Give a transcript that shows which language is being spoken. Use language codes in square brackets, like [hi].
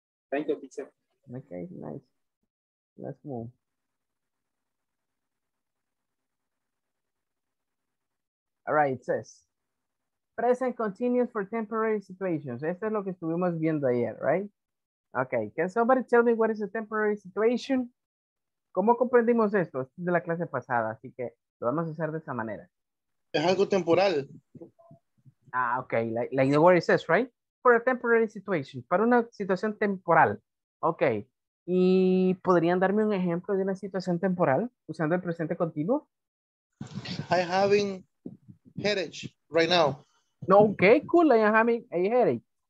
[en] Thank you, teacher. Okay, nice. Let's move. All right, it says. Present continuous for temporary situations. [es] Esto es lo que estuvimos viendo ayer, [en] right? Okay, can somebody tell me what is a temporary situation? [es] ¿Cómo comprendimos esto? Esto es de la clase pasada, así que lo vamos a hacer de esa manera. Es algo temporal. [en] Ah, okay, like the word it says, right? For a temporary situation, [es] para una situación temporal. Okay, ¿y podrían darme un ejemplo de una situación temporal usando el presente continuo? [en] I having headache right now. [es] No, qué [en] cool, I am having a headache.